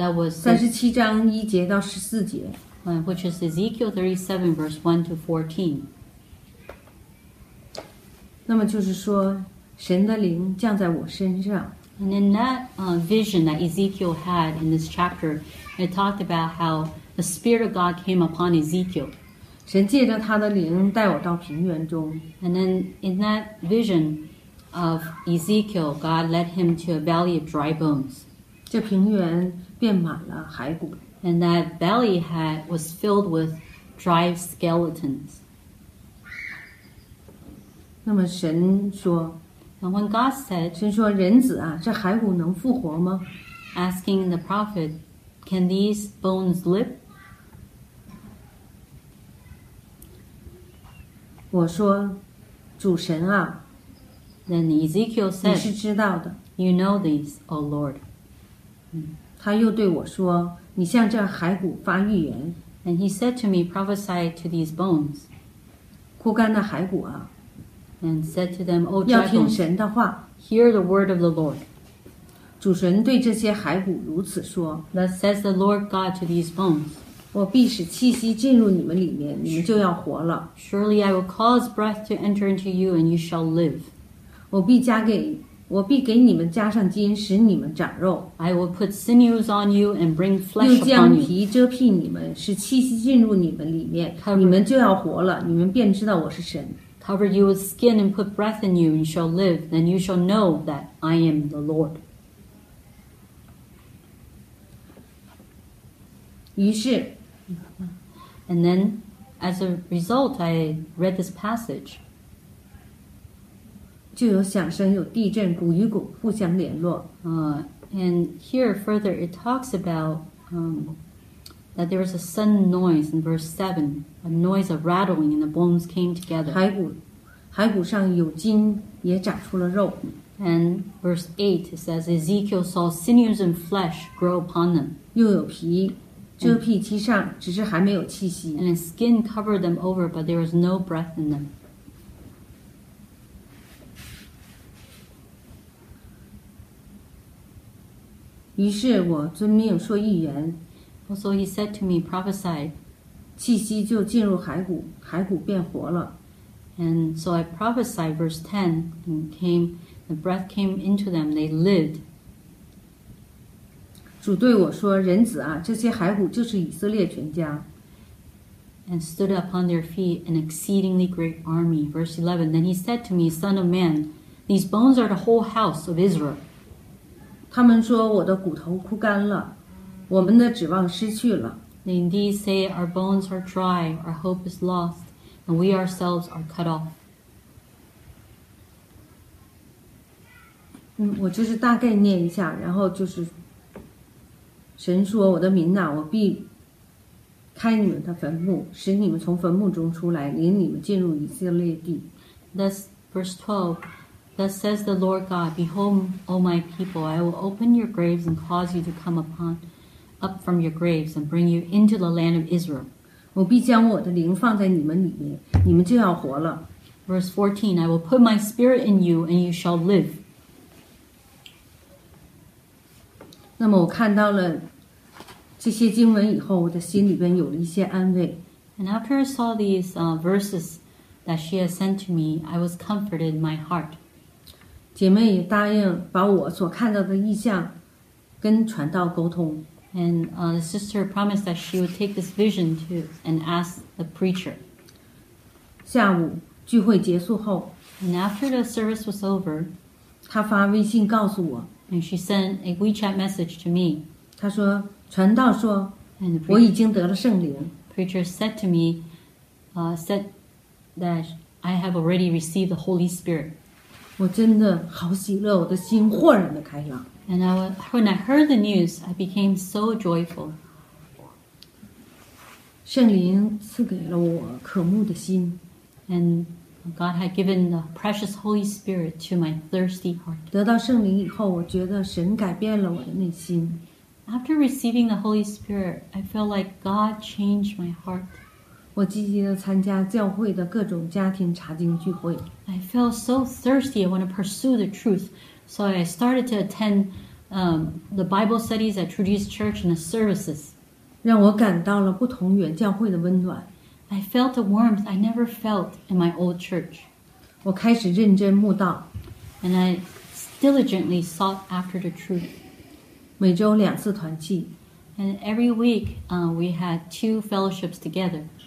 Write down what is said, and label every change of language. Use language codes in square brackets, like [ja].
[zh] 三十七章一节到十四节 [en] which is Ezekiel 37, verse 1 to 14. [zh] 那么就是说神的灵降在我身上 [en] And in that vision that Ezekiel had in this chapter, it talked about how the Spirit of God came upon Ezekiel. [zh] 神借着他的灵带我到平原中 [en] And then in that vision of Ezekiel, God led him to a valley of dry bones. [zh] 这平原变满了骸骨 [en] And that valley was filled with dry skeletons. [zh] 那么神说 [en] When God said, [zh] 神说人子啊，这骸骨能复活吗？ [en] Asking the prophet, can these bones live? [zh] 我说，主神啊。 [en] Then Ezekiel said, [zh] 你是知道的。 [en] You know these, O Lord. [zh] 他又对我说，你向这骸骨发预言。 [en] And he said to me, prophesy to these bones. [zh] 枯干的骸骨啊。 [en] And said to them, O dragon, hear the word of the Lord. [zh] 主神对这些骸骨如此说 [en] Thus says the Lord God to these bones. [zh] 我必使气息进入你们里面，你们就要活了。 [en] Surely I will cause breath to enter into you, and you shall live. [zh] 我必给你们加上筋，使你们长肉。 [en] I will put sinews on you and bring flesh upon you. [zh] 又将皮遮蔽你们，使气息进入你们里面，你们就要活了。你们便知道我是神。 [en] Cover you with skin and put breath in you, and you shall live, then you shall know that I am the Lord. [zh] 于是 [en] And then, as a result, I read this passage. [zh] 就有响声，有地震，鼓与鼓互相联络。 [en] And here further, it talks about that there was a sudden noise in verse 7, a noise of rattling, and the bones came together. [zh] 骸骨上有筋，也长出了肉。 [en] And verse 8 says, Ezekiel saw sinews and flesh grow upon them. [zh] 又有皮遮蔽其上，只是还没有气息。 [en] And skin covered them over, but there was no breath in them. [zh] 于是我遵命说预言。 [en] So he said to me, prophesy. [zh] 气息就进入骸骨，骸骨变活了。 [en] And so I prophesied, verse 10, and the breath came into them, they lived. [zh] 主对我说，人子啊，这些骸骨就是以色列全家。 [en] And stood upon their feet an exceedingly great army. Verse 11, then he said to me, son of man, these bones are the whole house of Israel. [zh] 他们说我的骨头枯干了，我们的指望失去了。 [en] They indeed say our bones are dry, our hope is lost. And we ourselves are cut off. [zh] 我就是大概念一下，然后就是神说我的民哪，我必开你们的坟墓，使你们从坟墓中出来，领你们进入以色列地。 [en] That's verse 12. Thus says the Lord God, Behold, O my people, I will open your graves and cause you to come up from your graves and bring you into the land of Israel. [zh] 我必将我的灵放在你们里面，你们就要活了。 [en] Verse 14. I will put my spirit in you and you shall live. [zh] 那么我看到了这些经文以后，我的心里边有了一些安慰。 [en] And after I saw these verses that she had sent to me, I was comforted in my heart. [zh] 姐妹也答应把我所看到的意象跟传道沟通。 [en] And the sister promised that she would take this vision to and ask the preacher. [zh] 下午聚会结束后 [en] ，And after the service was over, [zh] 她发微信告诉我 [en] ，And she sent a WeChat message to me. [zh] 她说。传道说 [en] preacher, [zh] 我已经得了圣灵 [en] Preacher said to me said that I have already received the Holy Spirit [zh] 我真的好喜乐我的心豁然的开朗 [en] And I, when I heard the news I became so joyful [zh] 圣灵赐给了我渴慕的心 [en] And God had given the precious Holy Spirit to my thirsty heart [zh] 得到圣灵以后我觉得神改变了我的内心 [en] After receiving the Holy Spirit, I felt like God changed my heart. [zh] 我积极地参加教会的各种家庭查经聚会。 [en] I felt so thirsty. I want to pursue the truth. So I started to attend the Bible studies at Trudy's Church and the services. [zh] 让我感到了不同原教会的温暖。 [en] I felt the warmth I never felt in my old church. [zh] 我开始认真慕道。 [en] And I diligently sought after the truth. [zh] 每周两次团契 [en] ，and every week, we had two fellowships together.